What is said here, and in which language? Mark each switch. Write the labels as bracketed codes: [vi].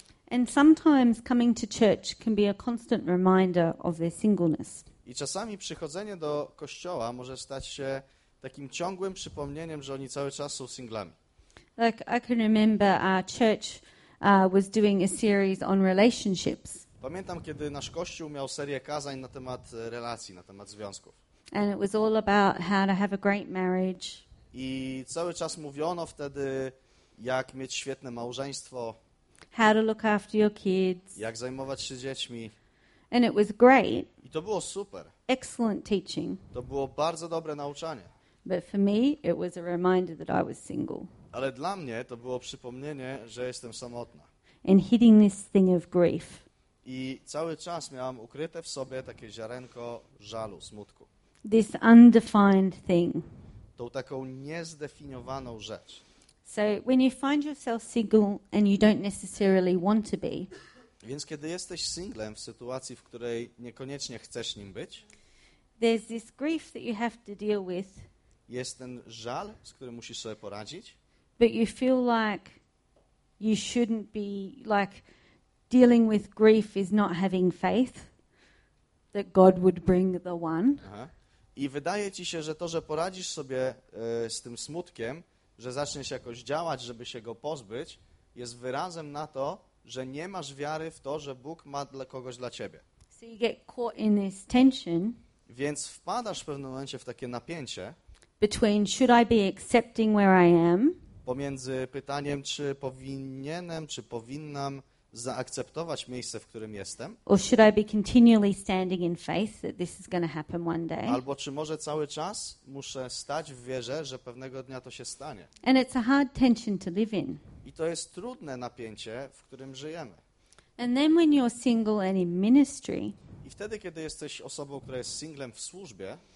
[en] And sometimes coming to church can be a constant reminder of their singleness. [pl] I czasami przychodzenie do kościoła może stać się takim ciągłym przypomnieniem, że oni cały czas są singlami. [en] Like I can remember our church was doing a series on relationships. [pl] Pamiętam, kiedy nasz kościół miał serię kazań na temat relacji, na temat związków. [en] And it was all about how to have a great marriage. [pl] I cały czas mówiono wtedy, jak mieć świetne małżeństwo. [en] How to look after your kids. [pl] Jak zajmować się dziećmi. [en] And it was great. [pl] I to było super. [en] Excellent teaching. [pl] To było bardzo dobre nauczanie. [en] But for me, it was a reminder that I was single. [pl] Ale dla mnie to było przypomnienie, że jestem samotna. [en] And hitting this thing of grief. [pl] I cały czas miałam ukryte w sobie takie ziarenko żalu, smutku. [en] This undefined thing. [pl] Tą taką niezdefiniowaną rzecz. [en] So when you find yourself single and you don't necessarily want to be. [pl] Więc kiedy jesteś singlem w sytuacji, w której niekoniecznie chcesz nim być. [en] There's this grief that you have to deal with. [pl] Jest ten żal, z którym musisz sobie poradzić. [en] But you feel like you shouldn't be like dealing with grief is not having faith that God would bring the one. [pl] I wydaje ci się, że to, że poradzisz sobie z tym smutkiem, że zaczniesz jakoś działać, żeby się go pozbyć, jest wyrazem na to, że nie masz wiary w to, że Bóg ma dla kogoś dla ciebie. [en] So you get caught in this tension. [pl] Więc wpadasz w pewnym momencie w takie napięcie. [en] Between should I be accepting where I am? [pl] Pomiędzy pytaniem, czy powinienem, czy powinnam zaakceptować miejsce, w którym jestem. [en] Or should I be continually standing in faith that this is going to happen one day? [pl] Albo czy może cały czas muszę stać w wierze, że pewnego dnia to się stanie. [en] And it's a hard tension to live in. [pl] I to jest trudne napięcie, w którym żyjemy. [en] And then when you're single and in ministry. [pl] I wtedy, kiedy jesteś osobą, która jest singlem w służbie,